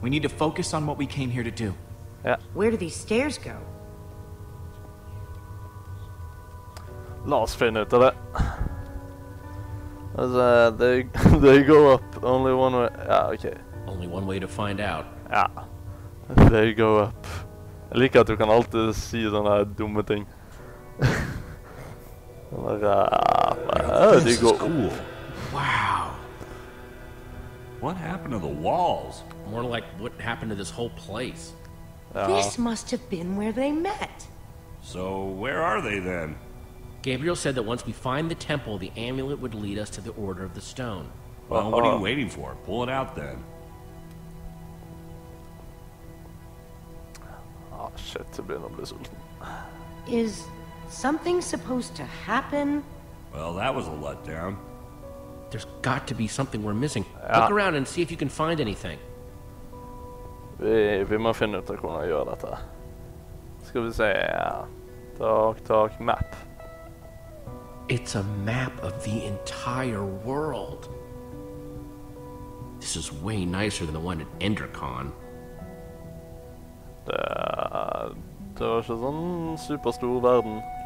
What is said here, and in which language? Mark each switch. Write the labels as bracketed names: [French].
[English] We need to focus on what we came here to do. Yeah. Where do these stairs go? [Norwegian] La oss finne ut av det. [English] Altså, they go up, only one way, ja, ok. Only one way to find out. Ja. There you go up. [Norwegian] Jeg liker at du kan alltid si sånne dumme ting. [English] This is cool. Wow. What happened to the walls? More like what happened to this whole place. This must have been where they met. So where are they then? Gabriel said that once we find the temple, the amulet would lead us to the Order of the Stone. Well, what are you waiting for? Pull it out then. Ah, shit, to be on this one. Is something supposed to happen? Well, that was a letdown. There's got to be something we're missing. Yeah. Look around and see if you can find anything. [Norwegian] Vi må finne ut hvordan vi gjør dette. Skal vi se. [English] Talk, map. It's a map of the entire world. This is way nicer than the one at Endercon. [Norwegian] Det var ikke sånn superstor verden.